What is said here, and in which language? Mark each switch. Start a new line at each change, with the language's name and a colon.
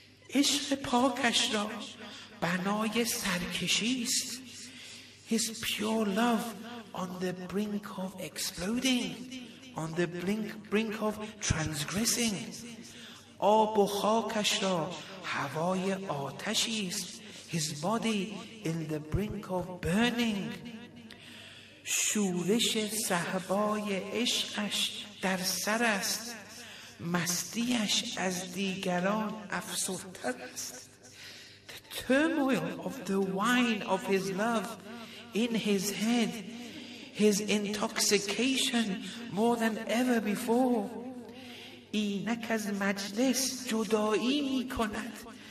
Persian: عشق پاکش را بنای سرکشیست.
English: His pure love on the brink of exploding, on the brink of transgressing.
Persian: آب و خاکش را هوای آتشیست.
English: His body in the brink of burning.
Persian: شورش صحبای عشقش در سر است. Mastiash as digaron afsultarast.
English: The turmoil of the wine of his love in his head, his intoxication more than ever before.
Persian: Inakaz majlis judai mikonat.